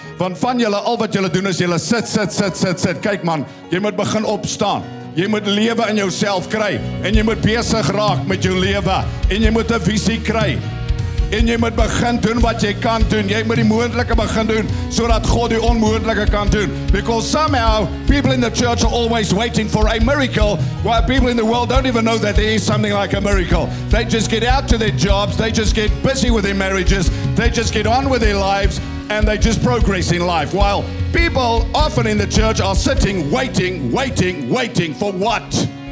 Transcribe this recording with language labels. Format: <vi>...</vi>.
<af>Want van julle, al wat julle doen is julle sit. Kyk man, jy moet begin opstaan. Jy moet lewe in jouself kry. En jy moet besig raak met jou lewe. En jy moet 'n visie kry. En jy moet begin doen wat jy kan doen. Jy moet die moontlike begin doen, sodat God die onmoontlike kan doen.</af> <en>Because somehow, people in the church are always waiting for a miracle, while people in the world don't even know that there is something like a miracle. They just get out to their jobs, they just get busy with their marriages, they just get on with their lives, and they just progress in life. While people often in the church are sitting, waiting for what?</en>